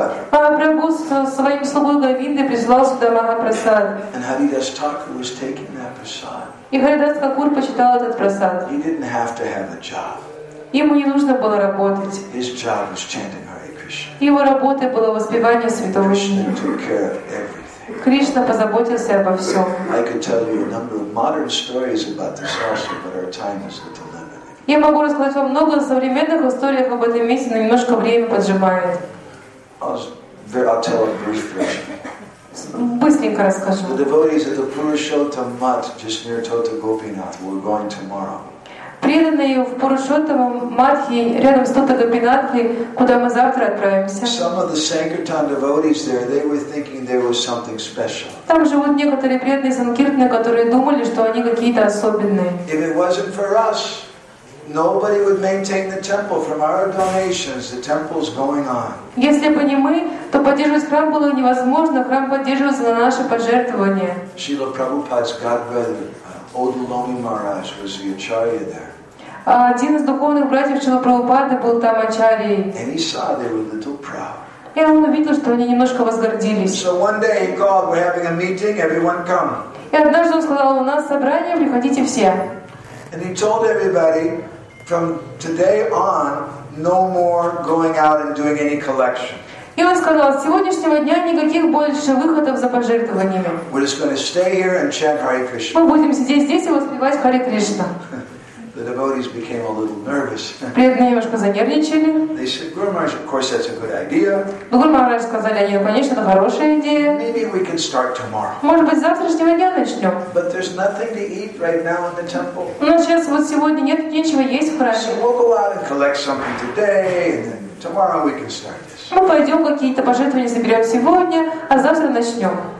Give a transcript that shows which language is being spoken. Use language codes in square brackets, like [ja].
[ru] Махапрабху со своим слугой Говиндой присылал сюда Махапрасад. [en] And Haridas Thakur was taking that prasad. [ru] И Харидас Такур почитал этот прасад. [en] He didn't have to have a job. [ru] Ему не нужно было работать. [en] His job was chanting Hare Krishna. [ru] Его работой было воспевание святого имени. Кришна позаботился обо всем. [en] I could tell you a number of modern stories about this also, but our time is a little limited. [ru] Я могу рассказать вам много современных историй об этом месте, но немножко время поджимает. [en] I'll tell it briefly. [ru] Быстренько расскажу. [en] The devotees at the Purushottam Mat, just near Tota Gopinath, we're going tomorrow. [ru] Преданные в Пурушоттамам Матхи, рядом с Тота Гопинатхой, куда мы завтра отправимся. [en] Some of the Sankirtan devotees there, they were thinking there was something special. [ru] Там живут некоторые преданные санкиртны, которые думали, что они какие-то особенные. [en] If it wasn't for us, nobody would maintain the temple. From our donations, the temple's going on. [ru] Если бы не мы, то поддерживать храм было невозможно. Храм поддерживался на наши пожертвования. [en] Шрила Прабхупада's godbrother. Одуломи Махарадж was the acharya there. [ru] Один из духовных братьев Шрилы Прабхупады был там ачарьей. [en] And he saw they were a little proud. [ru] И он увидел, что они немножко возгордились. [en] So one day he called, "We're having a meeting. Everyone come." [ru] И однажды он сказал: "У нас собрание, приходите все." [en] And he told everybody, "From today on, no more going out and doing any collection." [ru] И он сказал, с сегодняшнего дня никаких больше выходов за пожертвованиями. [en] We're just going to stay here and chant Hare Krishna. [ru] Мы будем сидеть здесь и воспевать Харе Кришна. [en] The devotees became a little nervous. [ru] Преданные немножко занервничали. [en] They said, Guru Maharaj, of course, that's a good idea. [ru] Guru Maharaj сказали, они, конечно, это хорошая идея. [en] Maybe we can start tomorrow. [ru] Может быть, с завтрашнего дня начнем. [en] But there's nothing to eat right now in the temple. [ru] Но сейчас вот сегодня нет ничего есть в храме. [en] So we'll go out and collect something today, and then tomorrow we can start. [ru] Мы пойдем какие-то пожертвования соберем сегодня, а завтра начнем.